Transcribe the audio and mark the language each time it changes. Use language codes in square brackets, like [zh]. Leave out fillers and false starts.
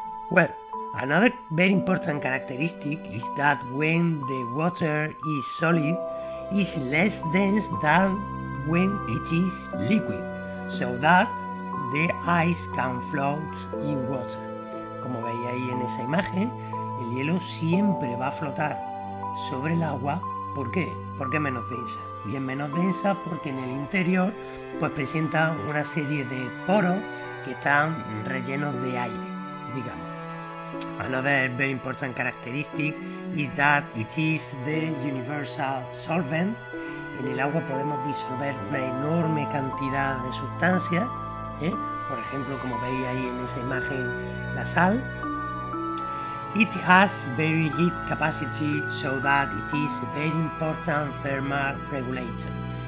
[en] Well, another very important characteristic is that when the water is solid, it's less dense than when it is liquid, so that the ice can float in water. [es] Como veis ahí en esa imagen, el hielo siempre va a flotar sobre el agua. ¿Por qué? Porque es menos densa. Y es menos densa porque en el interior pues presenta una serie de poros que están rellenos de aire, digamos. [en] Another very important characteristic is that it is the universal solvent. [es] En el agua podemos disolver una enorme cantidad de sustancias, ¿eh? Por ejemplo, como veis ahí en esa imagen, la sal. [en] It has very heat capacity, so that it is a very important thermal regulator.